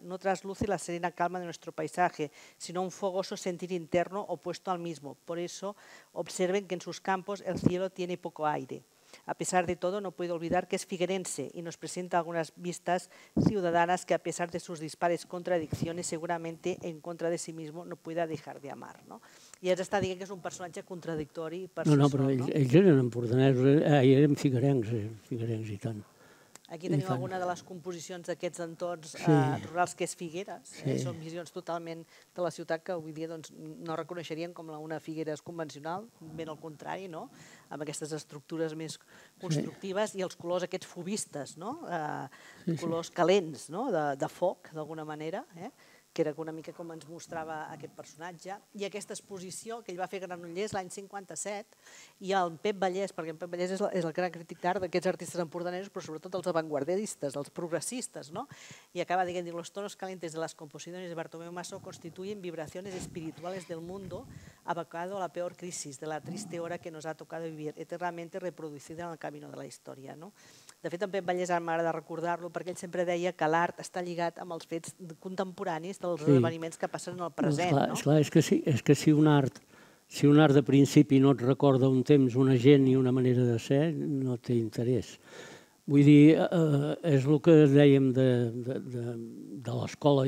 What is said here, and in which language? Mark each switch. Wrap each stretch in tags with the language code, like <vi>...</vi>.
<es>No trasluce la serena calma de nuestro paisaje, sino un fogoso sentir interno opuesto al mismo. Por eso, observen que en sus campos el cielo tiene poco aire. A pesar de todo, no puedo olvidar que es figuerense y nos presenta algunas vistas ciudadanas que, a pesar de sus dispares contradicciones, seguramente en contra de sí mismo no pueda dejar de amar.</es> <ca>No? I ja està dient que és un personatge contradictori. Per no, però ells eren empordanesos, eren figuerencs i tant. Aquí teniu alguna de les composicions d'aquests entorns rurals, que és Figueres. Sí. Són visions totalment de la ciutat que avui dia no reconeixerien com una Figueres convencional, ben al contrari, no? Amb aquestes estructures més constructives i els colors aquests fobistes, no? Colors calents, no? De foc, d'alguna manera, que era una mica com ens mostrava aquest personatge. I aquesta exposició que ell va fer a Granollers l'any 57, i el Pep Vallès, perquè en Pep Vallès és el gran crític d'art d'aquests artistes empordanesos, però sobretot els avantguardistes, els progressistes, no? I acaba dient,</ca> <es>los tonos calientes de las composiciones de Bartomeu Massot constituyen vibraciones espirituales del mundo abocado a la peor crisis, de la triste hora que nos ha tocado vivir, eternamente reproducida en el camino de la historia, no?</es> <ca>De fet, en Pep Vallès ara m'agrada recordar-lo perquè ell sempre deia que l'art està lligat amb els fets contemporanis dels esdeveniments que passen en el present. És clar, és que si un art de principi no et recorda un temps, una gent i una manera de ser, no té interès. Vull dir, és el que dèiem de l'escola.</ca>